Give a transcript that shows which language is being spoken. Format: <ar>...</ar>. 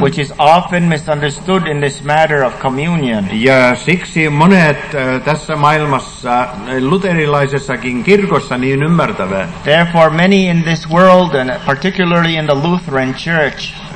<en>which is often misunderstood in this matter of communion.</en> <fi>Ja siksi monet tässä maailmassa, luterilaisessakin kirkossa, niin ymmärtävät.</fi> <en>Therefore many in this world, and particularly in the Lutheran church,</en>